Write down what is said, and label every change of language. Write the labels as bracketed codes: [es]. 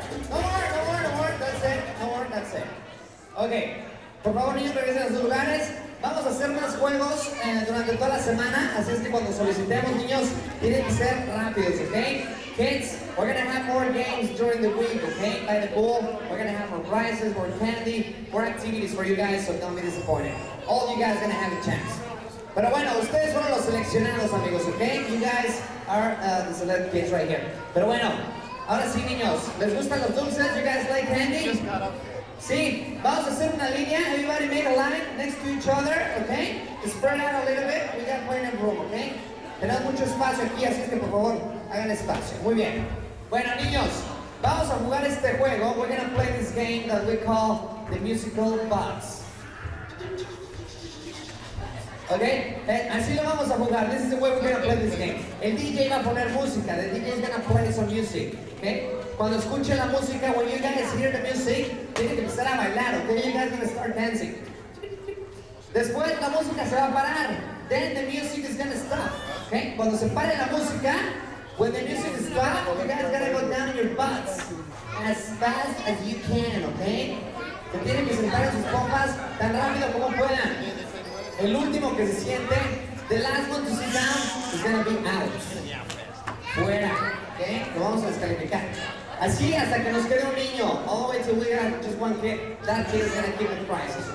[en] No more, no more, no more, that's it, no more, that's it. [es] Okay, por favor, niños, regresen a sus lugares. Vamos a hacer más juegos durante toda la semana, así es que cuando solicitemos, niños, tienen que ser rápidos, okay? [en] Kids, we're gonna have more games during the week, okay? By the pool, we're gonna have more prizes, more candy, more activities for you guys, so don't be disappointed. All you guys are gonna have a chance. [es] Pero bueno, ustedes fueron los seleccionados, amigos, okay? [en] You guys are the select kids right here. [es] Pero bueno, ahora sí, niños, ¿les gustan los dulces? [en] You guys like candy? Just got up. [es] Sí, vamos a hacer una línea. [en] Everybody make a line next to each other, okay? Spread out a little bit. We got plenty of room, okay? [es] Tenemos mucho espacio aquí, así que por favor, hagan espacio. Muy bien. Bueno, niños, vamos a jugar este juego. [en] We're gonna play this game that we call the musical box. Okay, [es] así lo vamos a jugar. [en] This is the way we're gonna play this game. [es] El DJ va a poner música. [en] The DJ is gonna play some music. Okay? Cuando escuchen la música, when you guys hear the music, tienen que empezar a bailar. Okay? You guys gonna start dancing. Después la música se va a parar. Then the music is gonna stop. Okay? [es] Cuando se pare la música, [en] when the music is stopped, you guys gotta go down your butts as fast as you can. Okay? [es] Se tienen que sentar en sus pompas tan rápido como puedan. El último que se siente, [en] the last one to sit down, is gonna be out. [es] Fuera, okay? Lo vamos a descalificar. Así hasta que nos quede un niño. [en] All the way till we have just one kid. That kid is gonna keep the prizes.